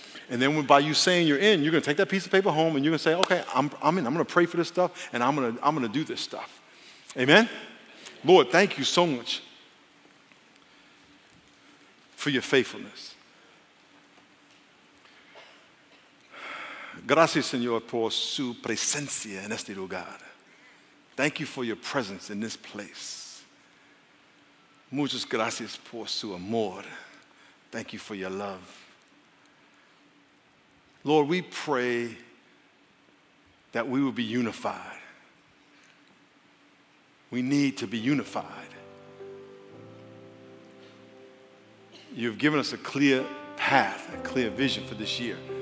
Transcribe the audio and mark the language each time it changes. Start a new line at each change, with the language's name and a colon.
English: And then by you saying you're in, you're going to take that piece of paper home, and you're going to say, okay, I'm in. I'm going to pray for this stuff, and I'm going to do this stuff. Amen? Lord, thank you so much for your faithfulness.
Spanish: Gracias, Señor, por su presencia en este lugar.
English: Thank you for your presence in this place.
Spanish: Muchas gracias por su amor.
English: Thank you for your love. Lord, we pray that we will be unified. We need to be unified. You've given us a clear path, a clear vision for this year.